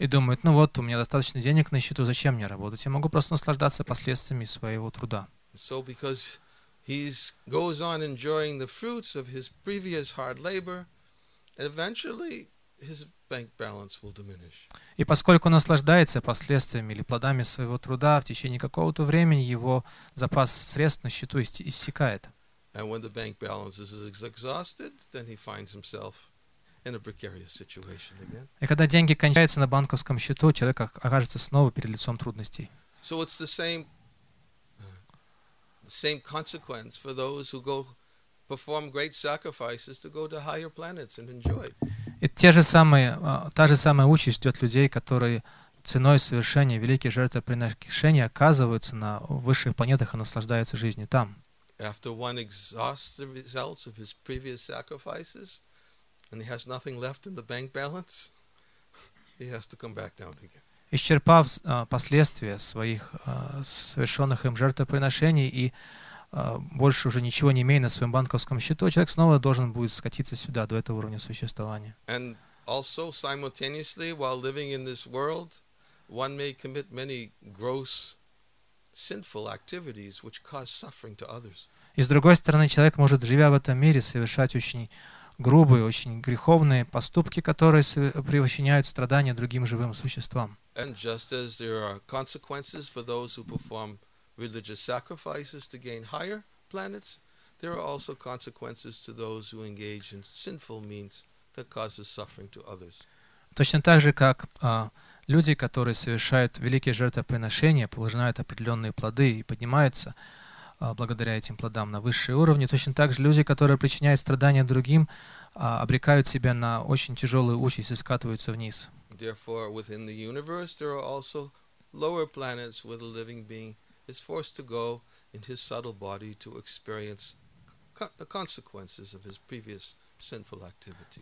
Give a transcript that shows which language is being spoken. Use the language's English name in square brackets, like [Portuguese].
[Russian] и думают, ну вот, у меня достаточно денег на счету, зачем мне работать? Я могу просто наслаждаться последствиями своего труда. [English] So because he goes on enjoying the fruits of his previous hard labor, eventually his bank balance will diminish. [Russian] И поскольку он наслаждается последствиями или плодами своего труда, в течение какого-то времени его запас средств на счету иссякает. [English] And when the bank balance is exhausted, then he finds himself in a precarious situation again. [Russian] И когда деньги кончаются на банковском счету, человек окажется снова перед лицом трудностей. [English] So it's the same consequence for those who go perform great sacrifices to go to higher planets and enjoy. [Russian] И та же самая участь ждет людей, которые ценой совершения великих жертвоприношений оказываются на высших планетах и наслаждаются жизнью там. [English] After one exhausts the results of his previous sacrifices and he has nothing left in the bank balance, he has to come back down again. [Russian] Исчерпав последствия своих совершенных им жертвоприношений и больше уже ничего не имея на своем банковском счету, человек снова должен будет скатиться сюда, до этого уровня существования. [English] And also simultaneously, while living in this world, one may commit many gross sinful activities which cause suffering to others. [Russian] И с другой стороны, человек может, живя в этом мире, совершать очень грубые, очень греховные поступки, которые причиняют страдания другим живым существам. [English] And just as there are consequences for those who perform religious sacrifices to gain higher planets, there are also consequences to those who engage in sinful means that causes suffering to others. [Russian] Точно так же, как люди, которые совершают великие жертвоприношения, положают определенные плоды и поднимаются благодаря этим плодам на высшие уровни. Точно так же люди, которые причиняют страдания другим, обрекают себя на очень тяжелую участь и скатываются вниз. [English] Therefore, within the universe, there are also lower planets where the living being is forced to go in his subtle body to experience the consequences of his previous sinful activity.